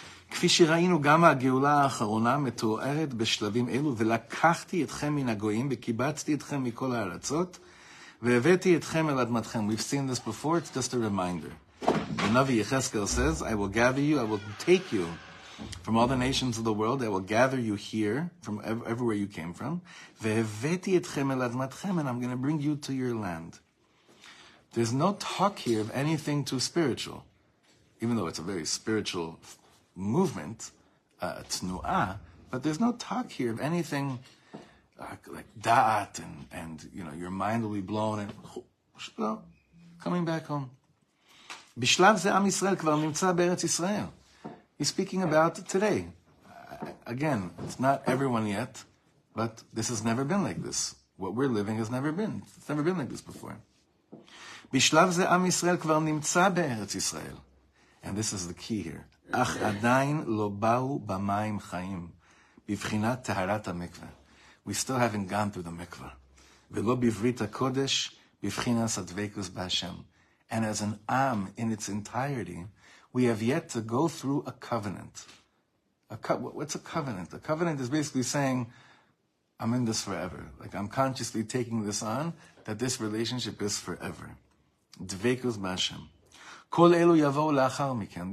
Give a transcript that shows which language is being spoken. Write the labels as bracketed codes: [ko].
[he] כפי ראינו גם הגאולה האחרונה מתוארת בשלבים אלו, ולקחתי אתכם מן הגויים, וקיבצתי אתכם מכל הארצות, והבאתי אתכם אל אדמתכם. [en] We've seen this before, it's just a reminder. The Navi Yechezkel says, I will gather you, I will take you from all the nations of the world, I will gather you here, from everywhere you came from, [he] והבאתי אתכם אל אדמתכם, [en] and I'm going to bring you to your land. There's no talk here of anything too spiritual, even though it's a very spiritual movement, tnuah, but there's no talk here of anything like da'at and your mind will be blown and coming back home. [he] Bishlav ze Am Yisrael kvar nimtza be'eretz Yisrael. [en] He's speaking about today. Again, it's not everyone yet, but this has never been like this. What we're living has never been. It's never been like this before. [he] Bishlav ze Am Yisrael kvar nimtza be'eretz Yisrael. [en] And this is the key here. [he] אך עדיין לא באו במים חיים, בבחינת טהרת המקווה. [en] We still haven't gone through the mikvah. [he] ולא בברית הקודש, בבחינת הדבקות בהשם. [en] And as an Am, in its entirety, we have yet to go through a covenant. What's a covenant? A covenant is basically saying, I'm in this forever. Like, I'm consciously taking this on, that this relationship is forever. [he] דבקות בהשם. כל אלו יבואו לאחר מכן.